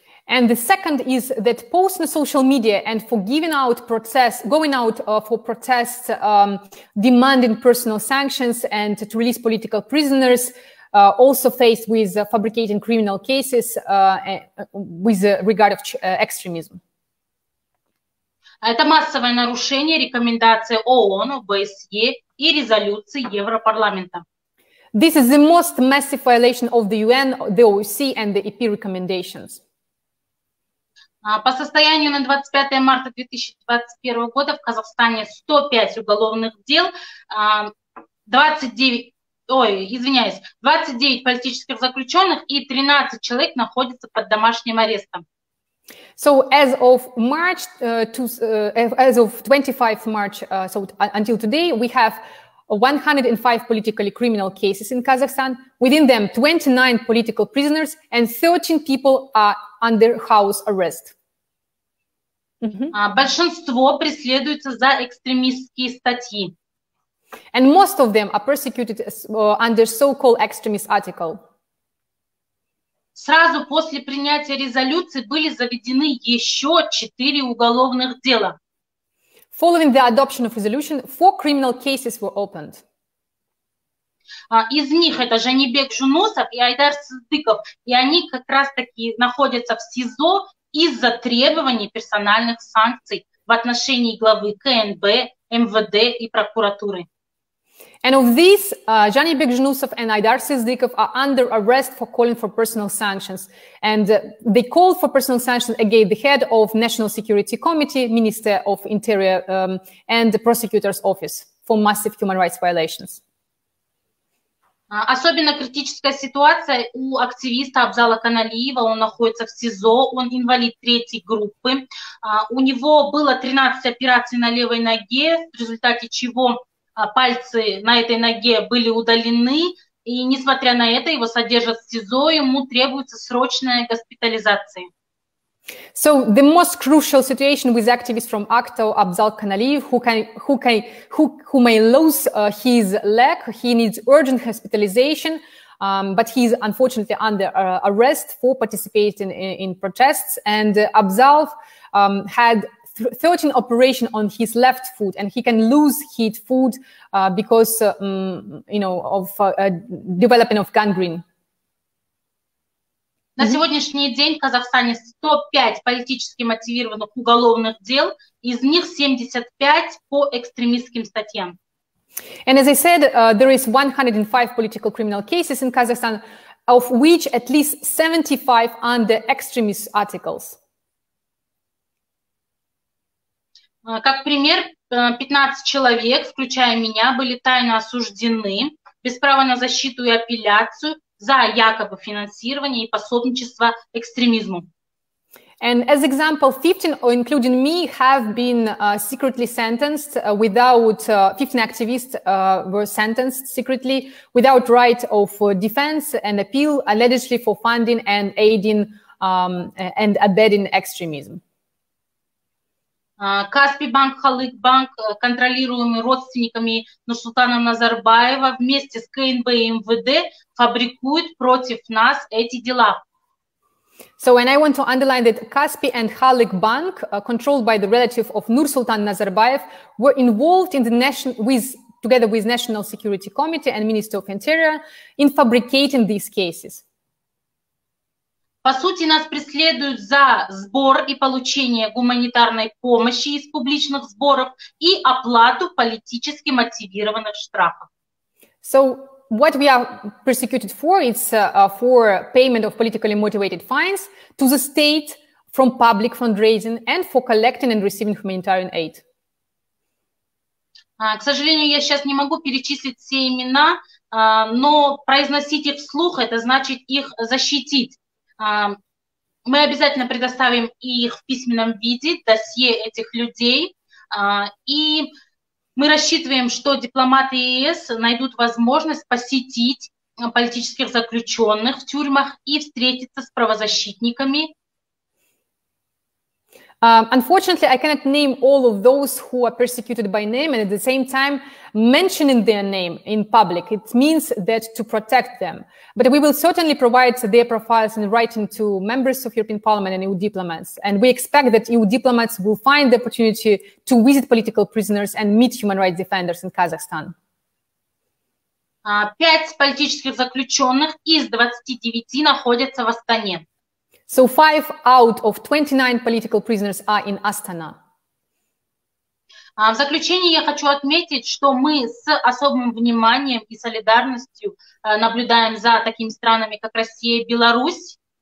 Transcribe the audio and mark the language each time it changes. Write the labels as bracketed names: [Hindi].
[English] And the second is that posts on social media and for giving out protests, going out for protests, demanding personal sanctions and to release political prisoners, also faced with fabricating criminal cases with regard of extremism. [Russian] Это массовое нарушение рекомендаций ООН, ОБСЕ и резолюции Европарламента. [English] This is the most massive violation of the UN, the OSCE and the EP recommendations. [Russian] По состоянию на 25 марта 2021 года в Казахстане 105 уголовных дел, 29 политических заключенных и 13 человек находятся под домашним арестом. [English] So as of March, as of 25 March, so until today, we have 105 politically criminal cases in Kazakhstan. Within them, 29 political prisoners and 13 people are under house arrest. Mm-hmm. [Russian] Большинство преследуются за экстремистские статьи. [English] And most of them are persecuted under so-called extremist article. [Russian] Сразу после принятия резолюции были заведены еще 4 уголовных дела. [English] Following the adoption of resolution, 4 criminal cases were opened. [Russian] Из них это Жанибек Жунусов и Айдар Сыздыков, и они как раз-таки находятся в СИЗО из-за требований персональных санкций в отношении главы КНБ МВД и прокуратуры. [English] And of these, Jani Begzhnusov and Aydar Sizdikov are under arrest for calling for personal sanctions. And they called for personal sanctions against the head of National Security Committee, Minister of Interior, and the Prosecutor's Office for massive human rights violations. [Russian] Особенно критическая ситуация у активиста Абзала Каналиева. Он находится в СИЗО, он инвалид третьей группы. У него было 13 операций на левой ноге, в результате чего пальцы на этой ноге были удалены. И несмотря на это, его содержат в СИЗО, ему требуется срочная госпитализация. [English] So the most crucial situation with activists from ACTO, Abzal Kanaliev, who may lose his leg, he needs urgent hospitalization, but he's unfortunately under arrest for participating in protests. And Abzal had 13 operations on his left foot, and he can lose his foot because of developing of gangrene. [Russian] На сегодняшний день в Казахстане 105 политически мотивированных уголовных дел, из них 75 по экстремистским статьям. [English] And as I said, there is 105 political criminal cases in Kazakhstan, of which at least 75 under extremist articles. [Russian] Как пример, 15 человек, включая меня, были тайно осуждены без права на защиту и апелляцию за якобы финансирование и пособничество экстремизму. [English] And as example, 15, including me, have been secretly sentenced without 15 activists were sentenced secretly without right of defense and appeal, allegedly for funding and aiding and abetting extremism. [Russian] Каспий банк, Халык банк, контролируемый родственниками Нурсултана Назарбаева, вместе с КНБ и МВД фабрикуют против нас эти дела. [English] So, and I want to underline that Каспий and Халык банк, controlled by the relative of Nursultan Nazarbayev, were involved in the nation with, together with National Security Committee and Minister of Interior, in fabricating these cases. [Russian] По сути, нас преследуют за сбор и получение гуманитарной помощи из публичных сборов и оплату политически мотивированных штрафов. [English] So what we are persecuted for, it's for payment of politically motivated fines to the state from public fundraising and for collecting and receiving humanitarian aid. [Russian] К сожалению, я сейчас не могу перечислить все имена, но произносить их вслух, это значит их защитить. Мы обязательно предоставим их в письменном виде, досье этих людей, и мы рассчитываем, что дипломаты ЕС найдут возможность посетить политических заключенных в тюрьмах и встретиться с правозащитниками. [English] Unfortunately, I cannot name all of those who are persecuted by name, and at the same time, mentioning their name in public, it means that to protect them. But we will certainly provide their profiles in writing to members of European Parliament and EU diplomats. And we expect that EU diplomats will find the opportunity to visit political prisoners and meet human rights defenders in Kazakhstan. [Russian] 5 политических заключенных из 29 находятся в Астане. [English] So 5 out of 29 political prisoners are in Astana. [Russian] В заключение я хочу отметить, что мы с особым вниманием и солидарностью наблюдаем за такими странами, как Россия и Беларусь.